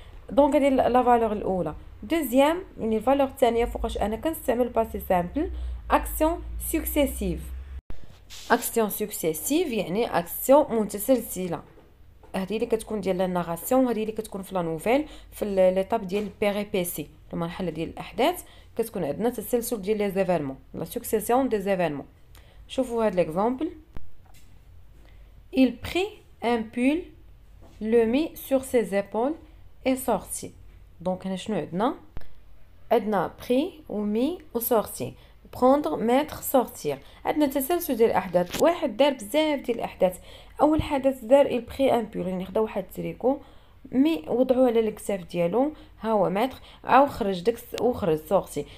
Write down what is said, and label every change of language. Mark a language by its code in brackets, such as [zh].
[ar] دونك هذه لا فالور الاولى. دوزيام يعني الفالور الثانيه فوقاش انا كنستعمل الباسي سامبل اكسيون سوكسيسيف. اكسيون سوكسيسيف يعني اكسيون متسلسله، هذه اللي كتكون ديال الناراسيون وهذه اللي كتكون في لا نوفيل في ليطاب ديال البيريبيسي المرحله ديال الاحداث كتكون عندنا تسلسل ديال لي زيفالمون لا سوكسيسيون دي زيفالمون. شوفوا هذا ليكزامبل [fr] il prit un pull le mit sur ses épaules et sortit. [ar] دونك هنا شنو عندنا؟ عندنا بري ومي وسورتي، بروندر ميتر سورتير. عندنا تسلسل ديال الاحداث، واحد دار بزاف ديال الاحداث. اول حدث دار إل بري ان بول يعني خدا واحد التريكو، مي وضعو على الكتاف ديالو ها هو ميتر، عاو خرج داك وخرج سورتي.